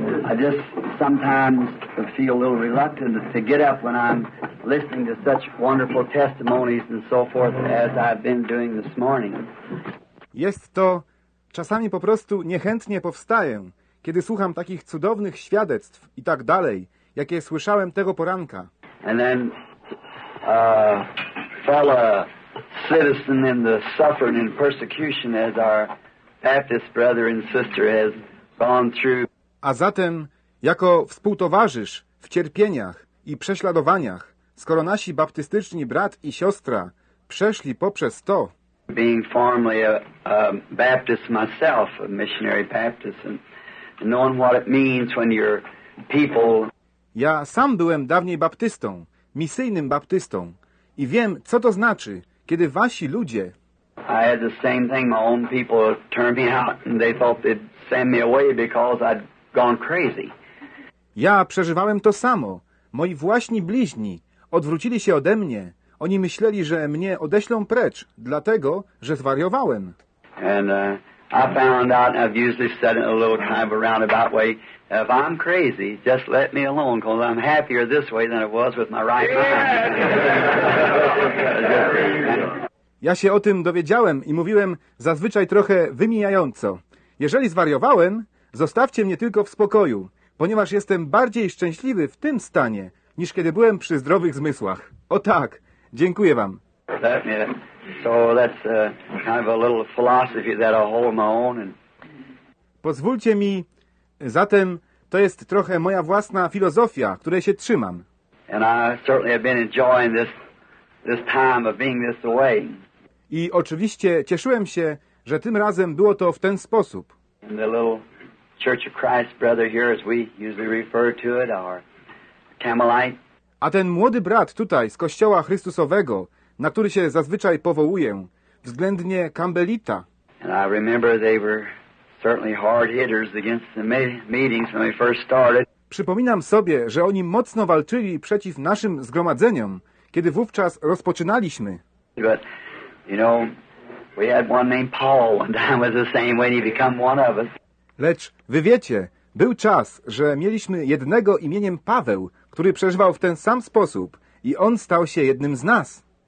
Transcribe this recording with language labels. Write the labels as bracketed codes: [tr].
[en] I just sometimes feel a little reluctant to get up when I'm listening to such wonderful testimonies and so forth as I've been doing this morning. [pl] Jest to czasami po prostu niechętnie powstaję, kiedy słucham takich cudownych świadectw i tak dalej, jakie słyszałem tego poranka. [en] And then fellow citizen in the suffering and persecution as our Baptist brother and sister has gone through. [pl] A zatem jako współtowarzysz w cierpieniach i prześladowaniach, skoro nasi baptystyczni brat i siostra przeszli poprzez to. [en] Being formerly a Baptist myself, a missionary Baptist, and knowing what it means when your people. [pl] Ja sam byłem dawniej baptystą, misyjnym baptystą i wiem, co to znaczy, kiedy wasi ludzie. [en] I had the same thing, my own people turned me out and they thought they'd send me away because I'd gone crazy. [pl] Ja przeżywałem to samo. Moi właśni bliźni odwrócili się ode mnie. Oni myśleli, że mnie odeślą precz, dlatego, że zwariowałem. [en] And I found out, and I've usually said in a little kind of a roundabout way, if I'm crazy, just let me alone, because I'm happier this way than I was with my right mind. Yeah. [pl] Ja się o tym dowiedziałem i mówiłem zazwyczaj trochę wymijająco. Jeżeli zwariowałem, zostawcie mnie tylko w spokoju, ponieważ jestem bardziej szczęśliwy w tym stanie, niż kiedy byłem przy zdrowych zmysłach. O tak, dziękuję wam. [en] So that's kind of a little philosophy that I hold my own. [pl] Pozwólcie mi, zatem to jest trochę moja własna filozofia, której się trzymam. [en] And I certainly have been enjoying this time of being this way. [pl] I oczywiście cieszyłem się, że tym razem było to w ten sposób. [en] In the little Church of Christ brother here, as we usually refer to it, our Camelite. [pl] A ten młody brat tutaj z Kościoła Chrystusowego, na który się zazwyczaj powołuję, względnie Campbellita. [en] And I remember they were certainly hard hitters against the meetings when we first started. [pl] Przypominam sobie, że oni mocno walczyli przeciw naszym zgromadzeniom, kiedy wówczas rozpoczynaliśmy. [en] But, you know, we had one named Paul one time was the same way he became one of us. [pl] Lecz wy wiecie, był czas, że mieliśmy jednego imieniem Paweł, który przeżywał w ten sam sposób i on stał się jednym z nas.